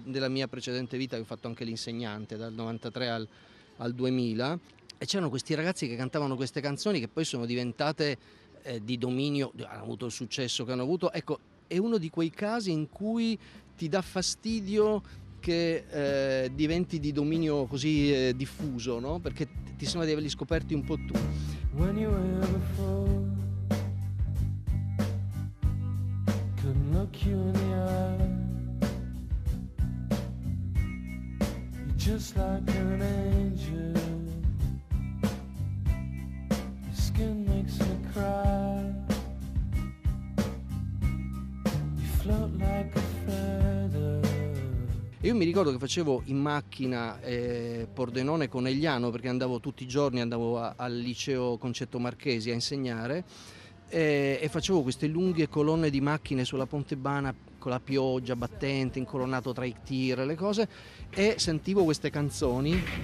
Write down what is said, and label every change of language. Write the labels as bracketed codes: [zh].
[it] Nella mia precedente vita avevo fatto anche l'insegnante dal 93 al 2000, e c'erano questi ragazzi che cantavano queste canzoni che poi sono diventate di dominio, hanno avuto il successo che hanno avuto. Ecco, è uno di quei casi in cui ti dà fastidio che diventi di dominio così diffuso, no? Perché ti sembra di averli scoperti un po' tu. [en] When you were here before, couldn't look you in the eye. You're just like an angel. Your skin makes me cry. You float like a feather. [it] Io mi ricordo che facevo in macchina Pordenone Conegliano, perché andavo tutti i giorni, andavo al liceo Concetto Marchesi a insegnare, e facevo queste lunghe colonne di macchine sulla Pontebbana con la pioggia battente, incolonnato tra i tir e le cose, e sentivo queste canzoni.